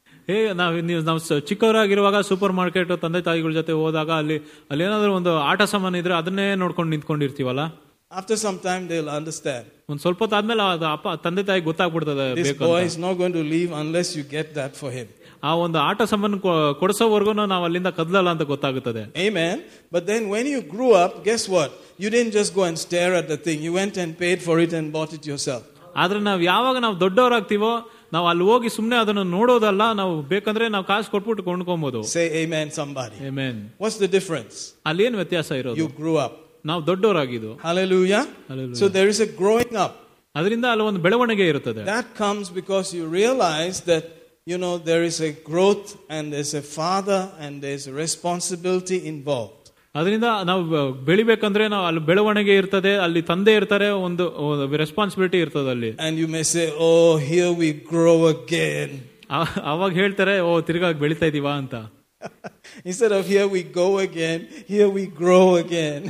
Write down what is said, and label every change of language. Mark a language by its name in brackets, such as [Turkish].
[Kannada] ಹೇ ನಾವು ಚಿಕ್ಕವರಾಗಿರುವಾಗ super market ತಂದೆ ತಾಯಿಗಳ ಜೊತೆ ಹೋದಾಗ ಅಲ್ಲಿ ಏನಾದರೂ ಒಂದು ಆಟ ಸಾಮಾನು ಇದ್ರೆ ಅದನ್ನೇ ನೋಡ್ಕೊಂಡು ನಿಂತ್ಕೊಂಡಿರ್ತೀವಲ್ಲ. [English] After some time they'll understand. [Kannada] ಒಂದು ಸ್ವಲ್ಪ ಹೊತ್ತಾದ್ಮೇಲೆ ಅಪ್ಪ ತಂದೆ ತಾಯಿ ಗೊತ್ತಾಗ್ಬಿಡ್ತದೆ. [English] This boy is not going to leave unless you get that for him. [Kannada] ಆ ಒಂದು ಆಟ ಸಾಮಾನು ಕೊಡಿಸೋವರೆಗೂ ನಾವು ಅಲ್ಲಿಂದ ಕದಲಲ್ಲ ಅಂತ ಗೊತ್ತಾಗುತ್ತದೆ. [English] Amen. But then when you grew up, guess what? You didn't just go and stare at the thing. You went and paid for it and bought it yourself. [Kannada] ಆದ್ರೆ ನಾವು ಯಾವಾಗ ನಾವು ದೊಡ್ಡವರಾಗ್ತೀವೋ ನಾವು ಅಲ್ಲಿ ಹೋಗಿ ಸುಮ್ನೆ ಅದನ್ನು ನೋಡೋದಲ್ಲ. ನಾವು ಬೇಕಂದ್ರೆ ನಾವು ಕಾಸು ಕೊಟ್ಬಿಟ್ಟು ಕೊಂಡ್ಕೊಬಹುದು. [English] Amen. Somebody. Amen. What's the difference? [Kannada] ಅಲ್ಲಿ ಏನ್ ವ್ಯತ್ಯಾಸ ಇರೋದು? [English] You grew up. [Kannada] ನಾವು ದೊಡ್ಡವರಾಗಿದ್ದು. [English] Hallelujah. Hallelujah. So there is a growing up. [Kannada] ಅದರಿಂದ ಅಲ್ಲಿ ಒಂದು ಬೆಳವಣಿಗೆ ಇರುತ್ತದೆ. [English] That comes because you realize that, you know, there is a growth and there's a father and there's a responsibility involved. [Kannada] ಅದರಿಂದ ನಾವು ಬೆಳಿಬೇಕಂದ್ರೆ ನಾವು ಅಲ್ಲಿ ಬೆಳವಣಿಗೆ ಇರ್ತದೆ, ಅಲ್ಲಿ ತಂದೆ ಇರ್ತಾರೆ, ಒಂದು ರೆಸ್ಪಾನ್ಸಿಬಿಲಿಟಿ ಇರ್ತದೆ ಅಲ್ಲಿ. [English] And you may say oh here we grow again. [Kannada] ಅವಾಗ ಹೇಳ್ತಾರೆ ಓ ತಿರ್ಗಾ ಬೆಳಿತಾ ಇದೀವಾ ಅಂತ. [English] Instead of here we go again, here we grow again.